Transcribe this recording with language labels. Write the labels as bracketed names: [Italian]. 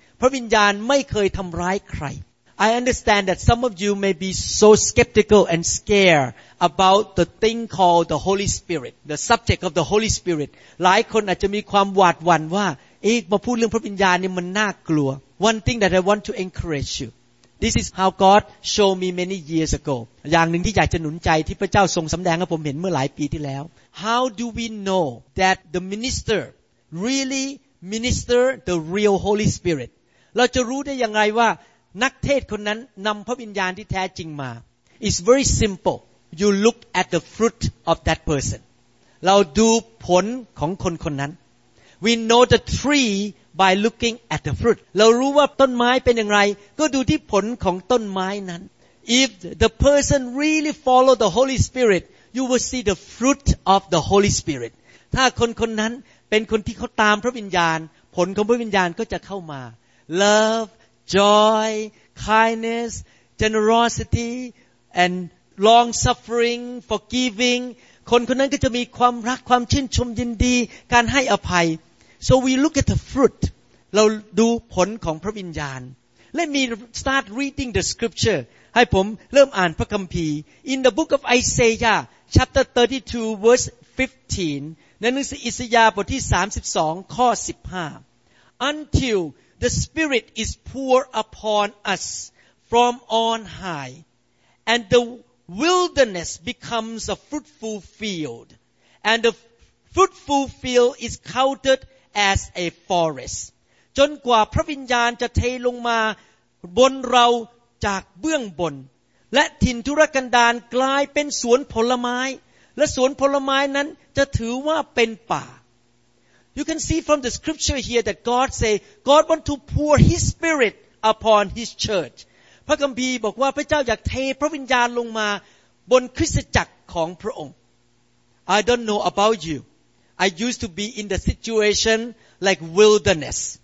[Thai] พระวิญญาณไม่เคยทำร้ายใคร [English] I understand that some of you may be so skeptical and scared about the thing called the Holy Spirit, the subject of the Holy Spirit. [Thai] หลายคนอาจจะมีความหวาดหวั่นว่าเอ๊ะมาพูดเรื่องพระวิญญาณเนี่ยมันน่ากลัว [English] One thing that I want to encourage you. This is how God showed me many years ago. [Thai] อย่างหนึ่งที่อยากจะหนุนใจที่พระเจ้าทรงสำแดงให้ผมเห็นเมื่อหลายปีที่แล้ว [English] How do we know that the minister really minister the real Holy Spirit? [Thai] เราจะรู้ได้ยังไงว่านักเทศคนนั้นนำพระวิญญาณที่แท้จริงมา [English] It's very simple. You look at the fruit of that person. [Thai] เราดูผลของคนคนนั้น [English] We know the tree by looking at the fruit. [Thai] เรารู้ว่าต้นไม้เป็นอย่างไรก็ดูที่ผลของต้นไม้นั้น [English] If the person really follow the Holy Spirit, you will see the fruit of the Holy Spirit. [Thai] ถ้าคนคนนั้นเป็นคนที่เขาตามพระวิญญาณผลของพระวิญญาณก็จะเข้ามา [English] Love,Joy, kindness, generosity, and long suffering, forgiving. [Thai] คนคนนั้นก็จะมีความรักความชื่นชมยินดีการให้อภัย [English] So we look at the fruit. [Thai] เราดูผลของพระวิญญาณ [English] Let me start reading the scripture. [Thai] ให้ผมเริ่มอ่านพระคัมภีร์ [English] In the book of Isaiah, chapter 32, verse 15. [Thai] ในหนังสืออิสยาห์บทที่32ข้อ15 [English] Until... The Spirit is poured upon us from on high, and the wilderness becomes a fruitful field, and the fruitful field is counted as a forest. [Thai] จนกว่าพระวิญญาณจะเทลงมาบนเราจากเบื้องบนและถิ่นทุรกันดารกลายเป็นสวนผลไม้และสวนผลไม้นั้นจะถือว่าเป็นป่า [English] You can see from the scripture here that God say God want to pour His Spirit upon His church. [Thai] พระคัมภีร์บอกว่าพระเจ้าอยากเทพระวิญญาณลงมาบนคริสตจักรของพระองค์ [English] I don't know about you. I used to be in the situation like wilderness.